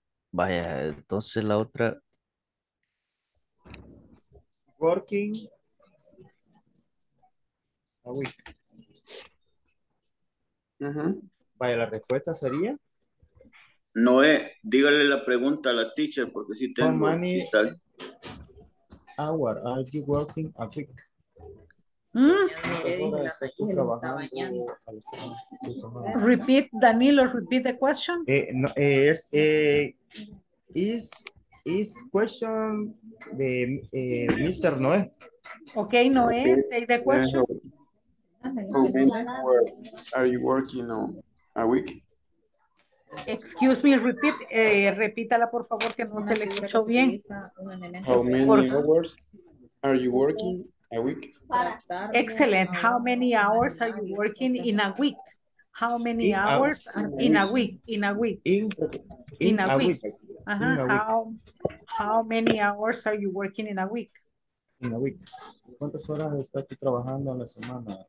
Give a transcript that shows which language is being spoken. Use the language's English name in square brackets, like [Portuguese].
[Spanish] Vaya, entonces la otra. [English] Working a week. [Spanish] Vaya, la respuesta sería. Noé, dígale la pregunta a la teacher, porque si tengo. [English] How many hour are you working a week? Repeat, Danilo, repeat the question. Is question the Mr. Noé. Okay, Noé, say the question. How many hours are you working on a week? Excuse me, repeat, [Spanish] repítala por favor, que no se le escuchó bien. [English] How many hours are you working a week? Excellent. How many hours are you working in a week? How many hours in a week? In a week. In a week. How many hours are you working in a week? In a week. [Spanish] ¿Cuántas horas está aquí trabajando en la semana?